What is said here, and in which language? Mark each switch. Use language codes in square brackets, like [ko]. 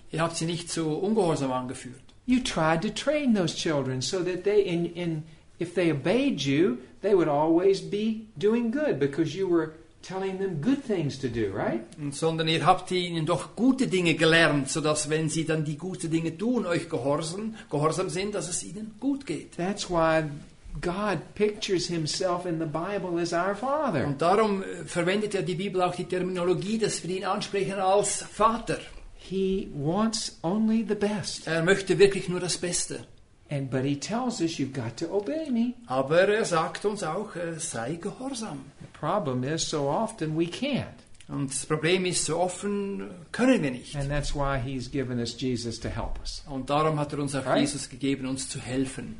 [de] Ihr habt sie nicht so ungehorsam angeführt. [en] You tried to train those children so that they, in if they obeyed you, they would always be doing good because you were telling them good things to do, right? [de] Und sondern ihr habt ihnen doch gute Dinge gelernt, so dass wenn sie dann die guten Dinge tun, euch gehorsam sind, dass es ihnen gut geht. [en] That's why God pictures himself in the Bible as our Father. [de] Und darum verwendet die Bibel auch die Terminologie, dass wir ihn ansprechen als Vater. [en] He wants only the best. [de] Möchte wirklich nur das Beste. [en] And but he tells us you've got to obey me. [de] Aber sagt uns auch, sei gehorsam. [en] The problem is so often we can't. [de] Und das Problem ist, so offen können wir nicht. [en] And that's why he's given us Jesus to help us. [de] Und darum hat uns auch [en] right? [de] Jesus gegeben, uns zu helfen.